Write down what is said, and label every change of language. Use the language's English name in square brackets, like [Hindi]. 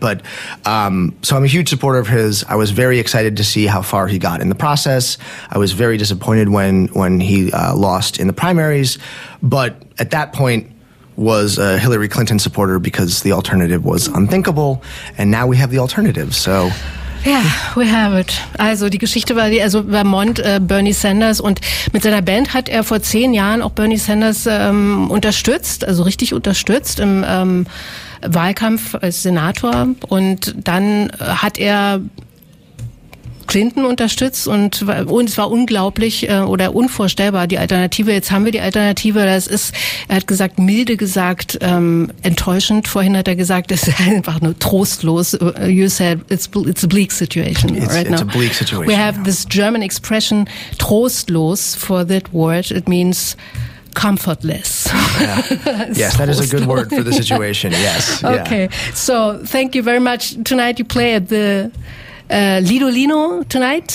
[English] But so I'm a huge supporter of his. I was very excited to see how far he got in the process. I was very disappointed when he lost in the primaries. But at that point, was a Hillary Clinton supporter, because the alternative was unthinkable, and now we have the alternative. So Ja, we have it. [German] Also die Geschichte war die, also Vermont, Bernie Sanders, und mit seiner Band hat er vor 10 Jahren auch Bernie Sanders unterstützt, also richtig unterstützt im Wahlkampf als Senator, und dann hat er Clinton unterstützt, und es war unglaublich oder unvorstellbar, die Alternative. Jetzt haben wir die Alternative. Das ist, er hat gesagt, milde gesagt, enttäuschend. Vorhin hat er gesagt, es ist einfach nur trostlos. [English] You said it's a bleak situation right now. It's a bleak situation. We have this German expression, trostlos, for that word. It means comfortless. Yeah. Yes, that is a good word for the situation. Yes. Okay. Yeah. So thank you very much. Tonight you play at the Lidolino tonight.